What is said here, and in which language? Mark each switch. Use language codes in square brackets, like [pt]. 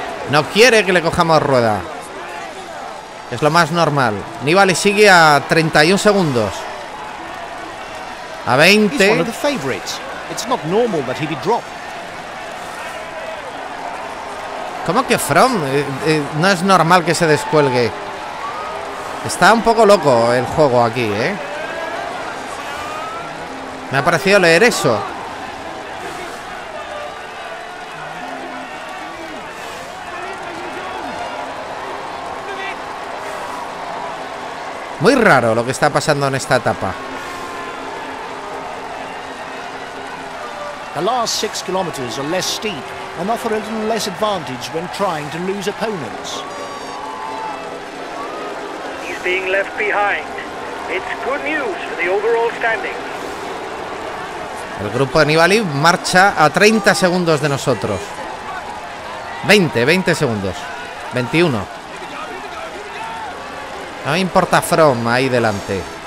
[es] No quiere que le cojamos rueda. Es lo más normal. Nibali sigue a 31 segundos. A 20. [en] He's one of the favorites. It's not normal that he be dropped. [es] ¿Cómo que From? No es normal que se descuelgue. Está un poco loco el juego aquí, ¿eh? Me ha parecido leer eso. Muy raro lo que está pasando en esta etapa. [en] The last 6 kilometers are less steep and offer a little less advantage when trying to lose opponents. He's being left behind. It's good news for the overall standing. [es] El grupo de Nibali marcha a 30 segundos de nosotros. 20 segundos. 21. No me importa From ahí delante.